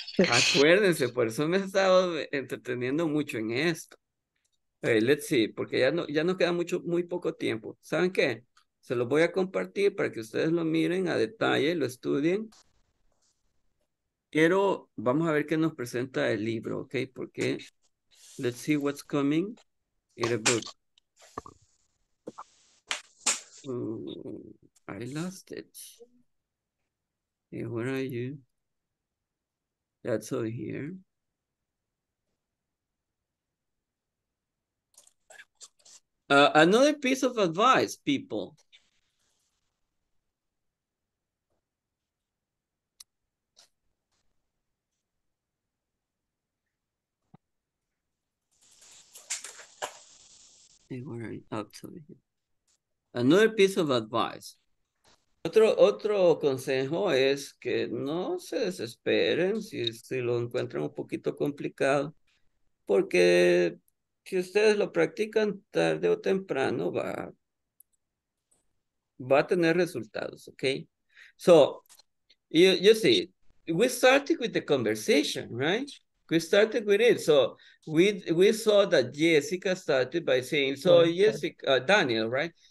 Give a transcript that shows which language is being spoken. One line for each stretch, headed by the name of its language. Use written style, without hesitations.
Spanish: Acuérdense, por eso me he estado entreteniendo mucho en esto.
English: Hey, let's see,
Spanish: porque ya nos queda muy poco tiempo. ¿Saben qué? Se los voy a compartir para que ustedes lo miren a detalle, lo estudien. Pero vamos a ver qué nos presenta el libro, ¿ok?
English: Porque, let's see what's coming in the book. I lost it. Hey, where are you? That's over here. Another piece of advice, people. Hey, where are you? Up to here. Another piece of advice.
Spanish: Otro consejo es que no se desesperen si lo encuentran un poquito complicado, porque si ustedes lo practican tarde o temprano va a tener resultados, okay?
English: So, you see, we started with the conversation, right? We started with it. So we saw that Jessica started by saying, so Jessica, Daniel, right?